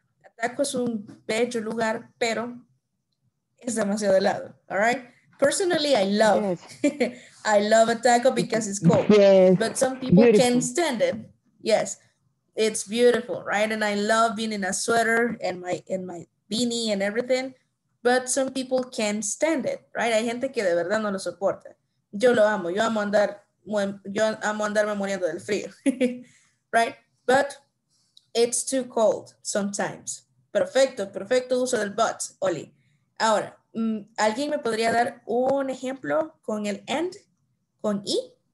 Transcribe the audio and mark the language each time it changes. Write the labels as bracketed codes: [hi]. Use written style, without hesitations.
[es] Ataco es un bello lugar, pero es demasiado helado, all right? [en] Personally, I love, yes. I love Ataco because it's cold. Yes. But some people can't stand it. Yes, it's beautiful, right? And I love being in a sweater and my beanie and everything. But some people can't stand it, right? [es] Hay gente que de verdad no lo soporta. Yo lo amo. Yo amo andarme muriendo del frío, right? [en] But it's too cold sometimes. [es] Perfecto, perfecto uso del but, Oli. Ahora, ¿alguien me podría dar un ejemplo con el and, con i?